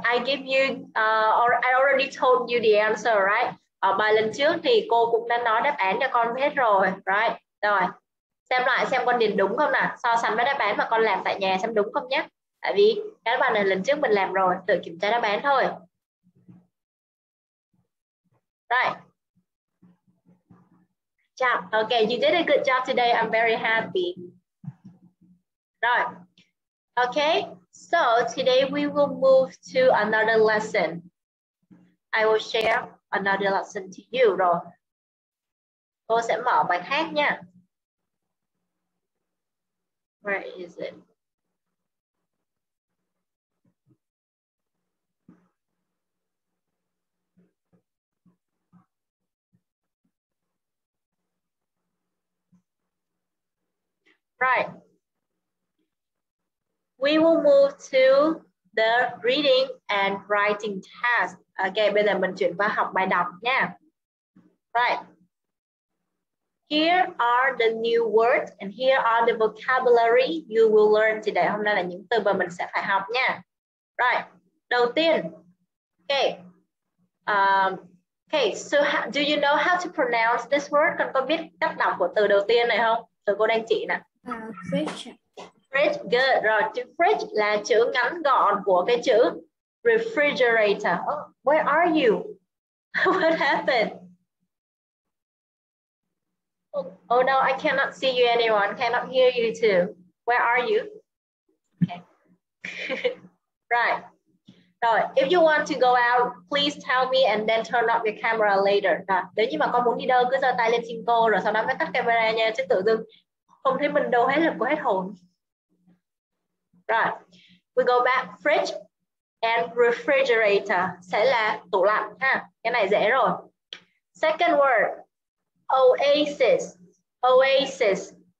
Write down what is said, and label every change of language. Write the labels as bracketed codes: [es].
[en] I give you, I already told you the answer, right? [vi] Bài lần trước thì cô cũng đã nói đáp án cho con hết rồi. [en] Right. [vi] Rồi. Xem lại xem con điền đúng không nè, so sánh với đáp án mà con làm tại nhà xem đúng không nhé. Tại vì cái bài này lần trước mình làm rồi, tự kiểm tra đáp án thôi. [en] Right. Chào, okay, you did a good job today, I'm very happy. Rồi, okay, so today we will move to another lesson. I will share another lesson to you rồi. [vi] Cô sẽ mở bài khác nha. [en] Where is it? Right. We will move to the reading and writing task. [vi] Okay, bây giờ mình chuyển qua học bài đọc nha. [en] Right. Here are the new words and here are the vocabulary you will learn today. [vi] Hôm nay là những từ mà mình sẽ phải học nha. [en] Right. [vi] Đầu tiên. Okay. [en] Okay, so how, do you know how to pronounce this word? [vi] Con có biết cách đọc của từ đầu tiên này không? Từ cô đang chỉ nè. [en] Fridge. Fridge, good. [vi] Rồi, chữ fridge là chữ ngắn gọn của cái chữ refrigerator. [en] Oh, where are you? What happened? Oh no, I cannot see you anyone. Cannot hear you too. Where are you? Okay. Right. So, if you want to go out, please tell me and then turn off your camera later. [vi] Nếu như mà con muốn đi đâu, cứ giơ tay lên xin cô rồi sau đó mới tắt camera nha. Chứ tự dưng không thấy mình đâu hết lực của hết hồn. [en] Right. We go back. [vi] Fridge and refrigerator sẽ là tủ lạnh ha. Cái này dễ rồi. [en] Second word. [vi] Oasis. Oasis.